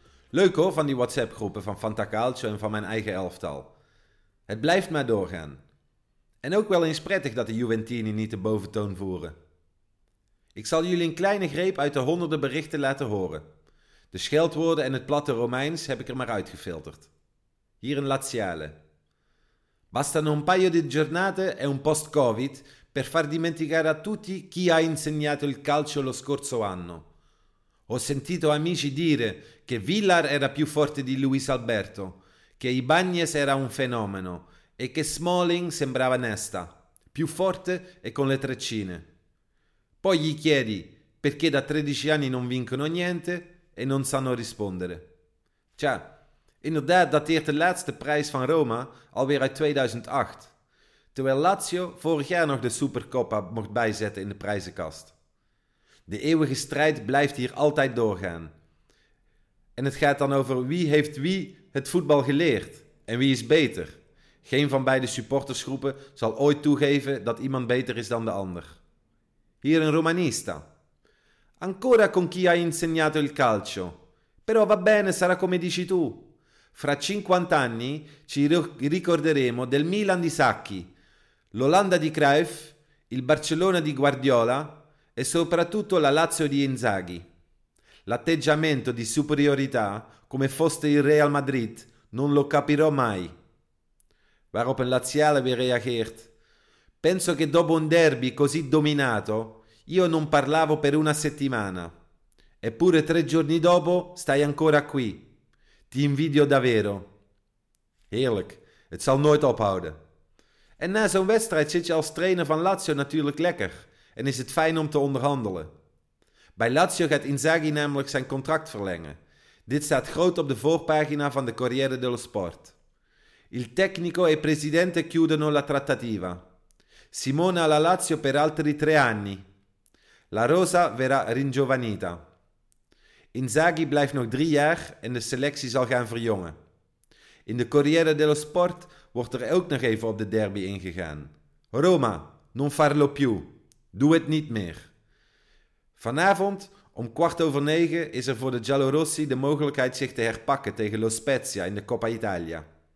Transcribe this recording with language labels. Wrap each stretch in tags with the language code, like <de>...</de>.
<nl>Leuk hoor, van die WhatsApp-groepen van Fantacalcio en van mijn eigen elftal. Het blijft maar doorgaan. En ook wel eens prettig dat de Juventini niet de boventoon voeren. Ik zal jullie een kleine greep uit de honderden berichten laten horen. De scheldwoorden en het platte Romeins heb ik er maar uitgefilterd. Hier in Laziale.</nl> <it>Bastano un paio di giornate e un post-covid... per far dimenticare a tutti chi ha insegnato il calcio lo scorso anno. Ho sentito amici dire che Villar era più forte di Luis Alberto, che Ibáñez era un fenomeno e che Smalling sembrava Nesta, più forte e con le treccine. Poi gli chiedi perché da 13 anni non vincono niente e non sanno rispondere.</it> <nl>Tja, inderdaad dateert de laatste prijs van Roma alweer uit 2008... terwijl Lazio vorig jaar nog de Supercoppa mocht bijzetten in de prijzenkast. De eeuwige strijd blijft hier altijd doorgaan. En het gaat dan over wie heeft wie het voetbal geleerd en wie is beter. Geen van beide supportersgroepen zal ooit toegeven dat iemand beter is dan de ander. Hier een Romanista.</nl> <it>Ancora con chi ha insegnato il calcio. Però va bene, sarà come dici tu. Fra 50 anni ci ricorderemo del Milan di Sacchi, l'Olanda di Cruyff, il Barcellona di Guardiola e soprattutto la Lazio di Inzaghi. L'atteggiamento di superiorità, come foste il Real Madrid, non lo capirò mai.</it> <nl>Waarop een Laziale weer reageert.</nl> <it>Penso che dopo un derby così dominato, io non parlavo per una settimana. Eppure tre giorni dopo stai ancora qui. Ti invidio davvero.</it> <nl>Heerlijk, het zal nooit ophouden. En na zo'n wedstrijd zit je als trainer van Lazio natuurlijk lekker en is het fijn om te onderhandelen. Bij Lazio gaat Inzaghi namelijk zijn contract verlengen. Dit staat groot op de voorpagina van de Corriere dello Sport.</nl> <it>Il tecnico e presidente chiudono la trattativa. Simone alla Lazio per altri tre anni. La rosa verrà ringiovanita.</it> <nl>Inzaghi blijft nog drie jaar en de selectie zal gaan verjongen. In de Corriere dello Sport wordt er ook nog even op de derby ingegaan.</nl> <it>Roma, non farlo più.</it> <nl>Doe het niet meer. Vanavond om 9:15 is er voor de Giallorossi de mogelijkheid zich te herpakken tegen Lo Spezia in de Coppa Italia.</nl>